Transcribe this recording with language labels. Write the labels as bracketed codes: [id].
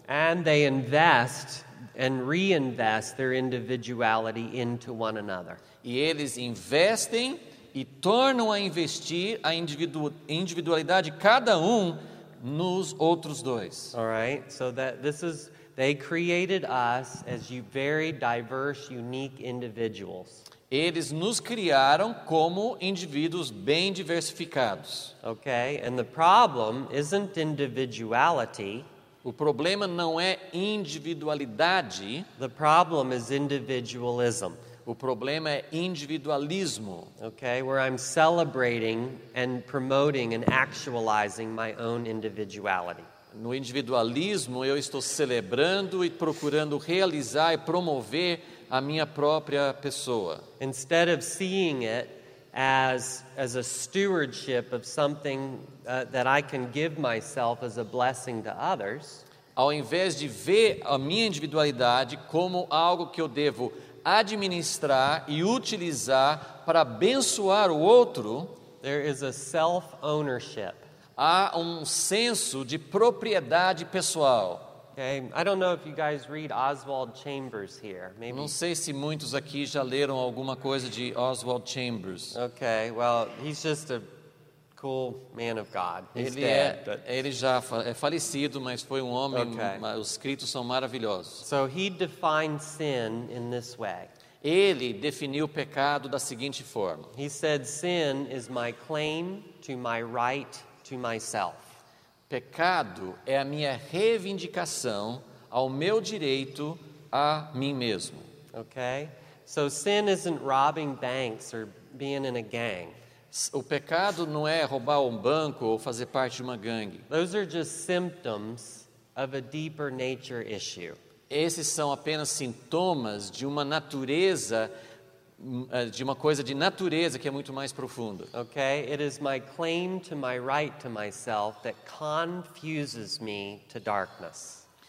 [en] And they invest and reinvest their individuality into one another. [pt] E eles investem e tornam a investir a individualidade cada um nos outros dois. [en] All right? So that this is, they created us as you very diverse, unique individuals. [pt] Eles nos criaram como indivíduos bem diversificados. [en] Okay, and the problem isn't individuality. [pt] O problema não é individualidade. [en] The problem is individualism. [pt] O problema é individualismo. [en] Okay, where I'm celebrating and promoting and actualizing my own individuality. [pt] No individualismo, eu estou celebrando e procurando realizar e promover a minha própria pessoa. [en] Instead of seeing it as a stewardship of something that I can give myself as a blessing to others, [pt] ao invés de ver a minha individualidade como algo que eu devo administrar e utilizar para abençoar o outro, [en] there is a self-ownership. [pt] Há um senso de propriedade pessoal. [en] Okay. I don't know if you guys read Oswald Chambers here. Maybe. [pt] Não sei se muitos aqui já leram alguma coisa de Oswald Chambers. [en] Okay, well, he's just a cool man of God. [pt] Ele já é falecido, mas foi um homem. Okay. Os escritos são maravilhosos. [en] So he defined sin in this way. [pt] Ele definiu o pecado da seguinte forma. [en] He said, "Sin is my claim to my right to myself." [pt] Pecado é a minha reivindicação ao meu direito a mim mesmo. [en] Okay? So sin isn't robbing banks or being in a gang. [pt] O pecado não é roubar um banco ou fazer parte de uma gangue. [en] Those are just symptoms of a deeper nature issue. [pt] Esses são apenas sintomas de uma natureza, de uma coisa de natureza que é muito mais profunda. [en] Okay, it is my claim to my right to myself that confuses me to darkness.